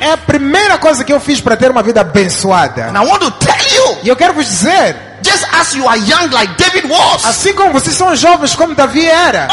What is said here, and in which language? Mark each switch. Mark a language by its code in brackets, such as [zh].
[pt] É a primeira coisa que eu fiz para ter uma vida abençoada. [en] And I want to tell you. [pt] E eu quero vos dizer. [en] Just as you are young like David was. [pt] Assim como vocês são jovens como Davi era.